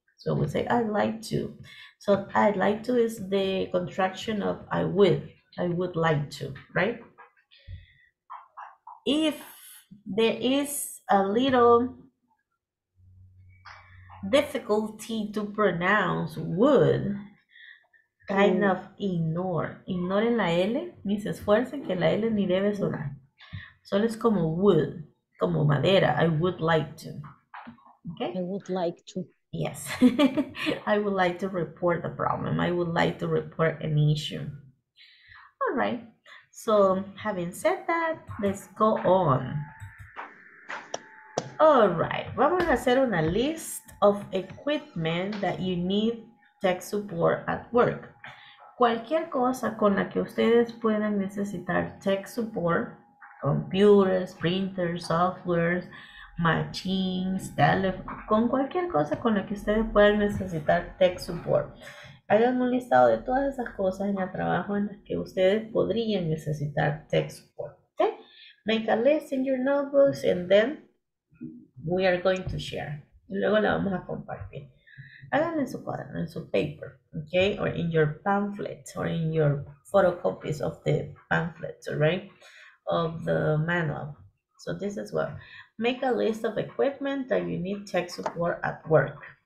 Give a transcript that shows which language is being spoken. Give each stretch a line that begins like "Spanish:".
English: So we say, I'd like to. So I'd like to is the contraction of I would like to, right? If there is a little difficulty to pronounce would, kind of ignore.
Spanish: Ignoren la L, ni se esfuercen que la L ni debe sonar. Solo es como would, como madera,
English: I would like to. Okay? I would like to. Yes, I would like to report the problem. I would like to report an issue. All right, so having said that, let's go on. All right,
Spanish: vamos a hacer una
English: list of equipment that you need tech support at work.
Spanish: Cualquier cosa con la que ustedes puedan necesitar tech support, computers, printers, softwares, machines, teléfono, con cualquier cosa con la que ustedes puedan necesitar tech support. Hagan un listado de todas esas cosas en el trabajo en las que ustedes podrían necesitar tech support.
English: Okay? Make a list in your notebooks and then we are going to share.
Spanish: Y luego la vamos a compartir. Háganlo en su cuaderno, en su paper, okay?
English: Or in your pamphlets or in your photocopies of the pamphlets, right? Of the manual. So this is what. Make a list of equipment that you need tech support at work.